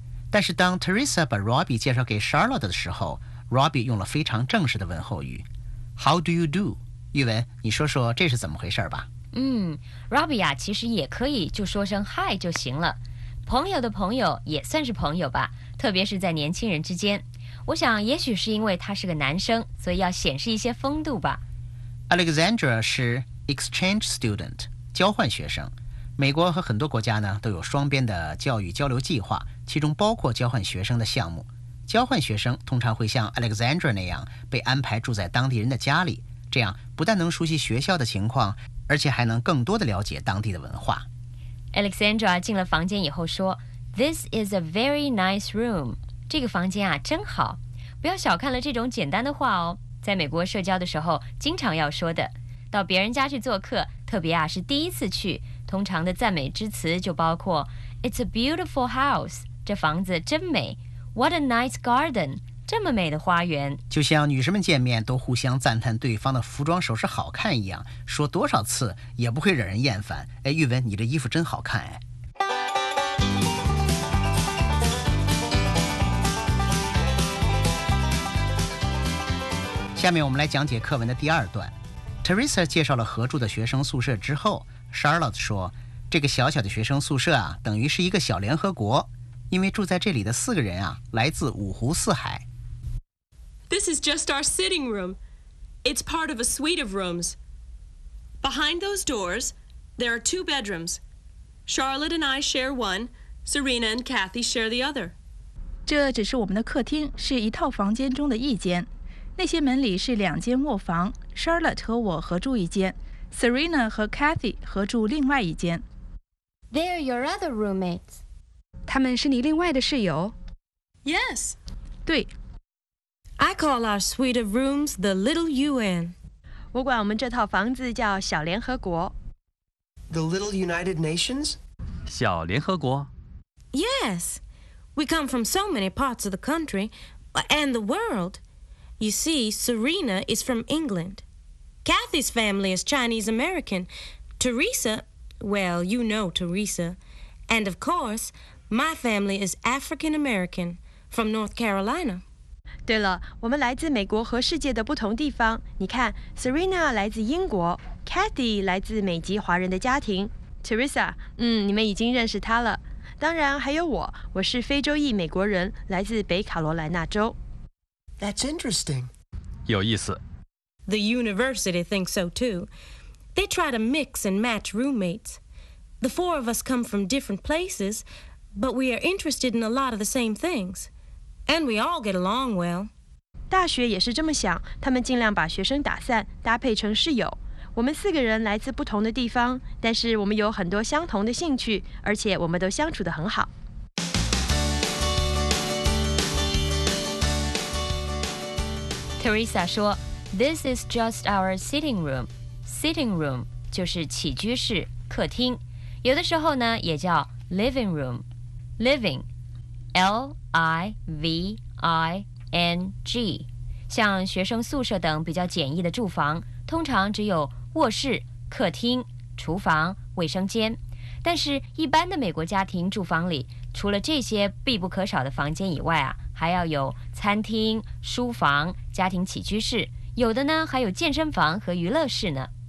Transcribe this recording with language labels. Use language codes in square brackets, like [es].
[zh] 但是当 Teresa 把 Robbie 介绍给 Charlotte 的时候， Robbie 用了非常正式的问候语 [en] How do you do? [zh] 玉文，你说说这是怎么回事吧。嗯， Robbie 啊，其实也可以就说声 Hi 就行了，朋友的朋友也算是朋友吧，特别是在年轻人之间。我想也许是因为他是个男生，所以要显示一些风度吧。 Alexandra 是 exchange student， 交换学生。美国和很多国家呢都有双边的教育交流计划，其中包括交换学生的项目。交换学生通常会像 Alexandra 那样被安排住在当地人的家里，这样不但能熟悉学校的情况，而且还能更多的了解当地的文化。 Alexandra 进了房间以后说 [en] This is a very nice room， [zh] 这个房间啊真好。不要小看了这种简单的话哦，在美国社交的时候经常要说的。到别人家去做客，特别啊是第一次去，通常的赞美之词就包括 [en] It's a beautiful house， [zh] 这房子真美。 [en] What a nice garden， [zh] 这么美的花园。就像女生们见面都互相赞叹对方的服装首饰好看一样，说多少次也不会惹人厌烦。哎，玉文，你这衣服真好看。哎，下面我们来讲解课文的第二段。 Teresa 介绍了合住的学生宿舍之后，Charlotte 说这个小小的学生宿舍啊，等于是一个小联合国，因为住在这里的四个人啊，来自五湖四海。 [en] This is just our sitting room. It's part of a suite of rooms. Behind those doors, there are two bedrooms. Charlotte and I share one. Serena and Kathy share the other. [zh] 这只是我们的客厅，是一套房间中的一间。那些门里是两间卧房， Charlotte 和我合住一间，Serena 和 Kathy 合住另外一间。 [en] They're your other roommates. [zh] 他们是你另外的室友。 [en] Yes. [zh] 对。 [en] I call our suite of rooms the Little UN. [zh] 我管我们这套房子叫小联合国。 [en] The Little United Nations? [zh] 小联合国。 [en] Yes. We come from so many parts of the country and the world. You see, Serena is from England. Kathy's family is Chinese American. Teresa, well, you know Teresa. And of course, my family is African American from North Carolina. [zh] 对了，我们来自美国和世界的不同地方。你看 ，Serena 来自英国 ，Kathy 来自美籍华人的家庭 ，Teresa， 你们已经认识她了。当然还有我是非洲裔美国人，来自北卡罗来纳州。 [en] That's interesting. [zh] 有意思。 [en] The university thinks so too. They try to mix and match roommates. The four of us come from different places, but we are interested in a lot of the same things, and we all get along well. [zh] 大学也是这么想，他们尽量把学生打散，搭配成室友。我们四个人来自不同的地方，但是我们有很多相同的兴趣，而且我们都相处得很好。 Teresa 说 ， [en] This is just our sitting room. [zh] Sitting room 就是起居室、客厅，有的时候呢也叫 living room. Living, L-I-V-I-N-G， 像学生宿舍等比较简易的住房，通常只有卧室、客厅、厨房、卫生间，但是一般的美国家庭住房里，除了这些必不可少的房间以外啊，还要有餐厅、书房、家庭起居室，有的呢还有健身房和娱乐室呢。